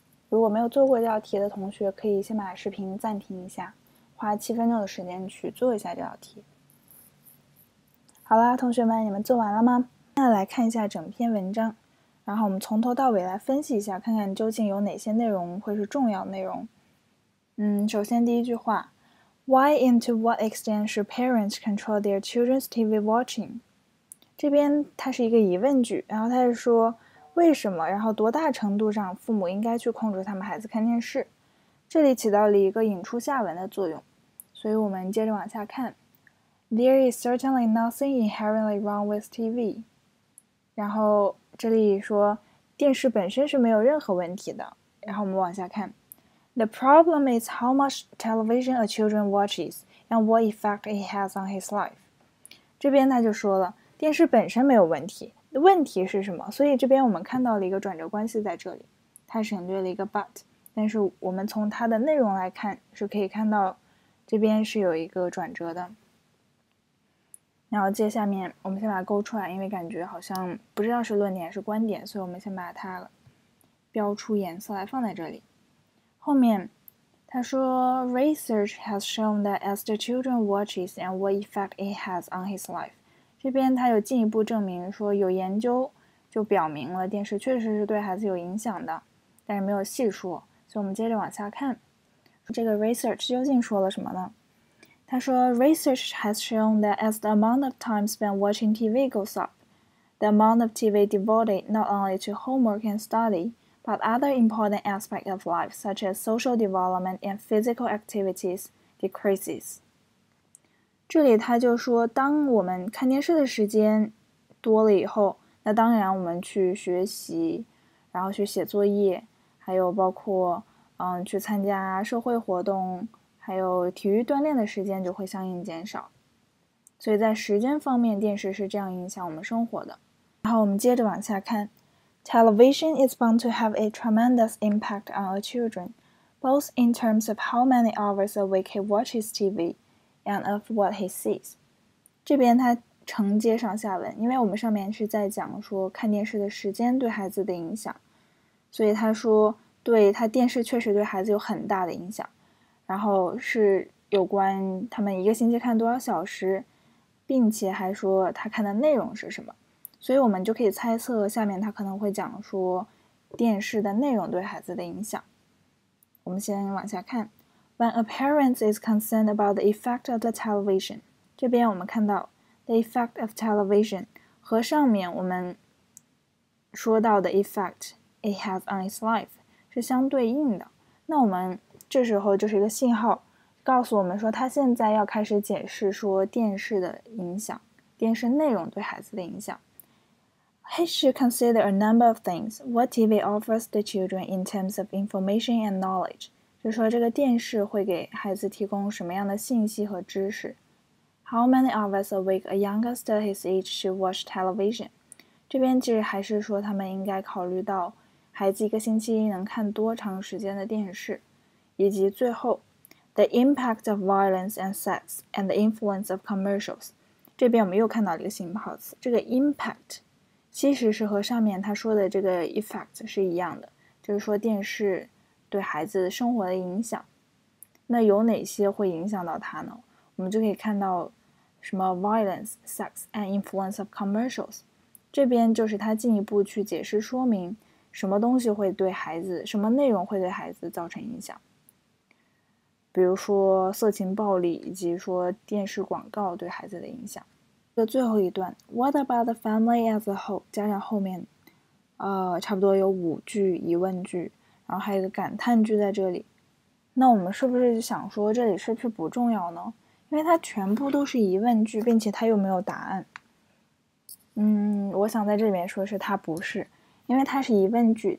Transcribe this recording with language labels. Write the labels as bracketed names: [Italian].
[Chinese] 如果没有做过这道题的同学，可以先把视频暂停一下，花7分钟的时间去做一下这道题。好啦，同学们，你们做完了吗？那来看一下整篇文章。然后我们从头到尾来分析一下，看看究竟有哪些内容会是重要内容。首先第一句话， [English] Why and to what extent should parents control their children's TV watching？ [Chinese] 这边它是一个疑问句，然后它是说为什么，然后多大程度上父母应该去控制他们孩子看电视？这里起到了一个引出下文的作用，所以我们接着往下看， [English] There is certainly nothing inherently wrong with TV。 [Chinese] 然后。这里说电视本身是没有任何问题的。然后我们往下看， [English] The problem is how much television a children watches and what effect it has on his life。 [Chinese] 这边他就说了，电视本身没有问题，问题是什么？所以这边我们看到了一个转折关系在这里，他省略了一个 but，但是我们从它的内容来看，是可以看到这边是有一个转折的。然后接下面我们先把它勾出来，因为感觉好像不知道是论点还是观点，所以我们先把它标出颜色来放在这里。后面他说， [English] Research has shown that as the children watches and what effect it has on his life， [Chinese] 这边他又进一步证明说，有研究就表明了电视确实是对孩子有影响的，但是没有细说。所以我们接着往下看，这个 research 究竟说了什么呢？他说， [English] Research has shown that as the amount of time spent watching TV goes up, the amount of TV devoted not only to homework and study, but other important aspects of life, such as social development and physical activities, decreases。 [Chinese] 这里他就说，当我们看电视的时间多了以后，那当然我们去学习，然后去写作业，还有包括去参加社会活动。还有体育锻炼的时间就会相应减少，所以在时间方面，电视是这样影响我们生活的。然后我们接着往下看， [English] Television is bound to have a tremendous impact on our children, both in terms of how many hours a week he watches TV and of what he sees。 [Chinese] 这边它承接上下文，因为我们上面是在讲说看电视的时间对孩子的影响，所以他说，对，他电视确实对孩子有很大的影响。然后是有关他们一个星期看多少小时，并且还说他看的内容是什么，所以我们就可以猜测下面他可能会讲说电视的内容对孩子的影响。我们先往下看， [English] When a parent is concerned about the effect of the television， [Chinese] 这边我们看到 [English] the effect of television [Chinese] 和上面我们说到的 [English] effect it has on its life [Chinese] 是相对应的，那我们。这时候就是一个信号，告诉我们说他现在要开始解释说电视的影响，电视内容对孩子的影响。 [English] He should consider a number of things. What TV offers the children in terms of information and knowledge， [Chinese] 就说这个电视会给孩子提供什么样的信息和知识？ [English] How many hours a week a youngster his age should watch television？ [Chinese] 这边其实还是说他们应该考虑到孩子一个星期能看多长时间的电视，以及最后 [English] the impact of violence and sex and the influence of commercials。 [Chinese] 这边我们又看到了一个新跑词，这个 impact 其实是和上面他说的这个 effect 是一样的，就是说电视对孩子生活的影响。那有哪些会影响到他呢？我们就可以看到什么 [English] violence, sex and influence of commercials。 [Chinese] 这边就是他进一步去解释说明什么东西会对孩子，什么内容会对孩子造成影响。比如说色情暴力，以及说电视广告对孩子的影响。这最后一段， [English] What about the family as a whole？ [Chinese] 加上后面，差不多有5句疑问句，然后还有一个感叹句在这里。那我们是不是就想说这里是不是不重要呢？因为它全部都是疑问句，并且它又没有答案。嗯，我想在这里面说是它不是，因为它是疑问句。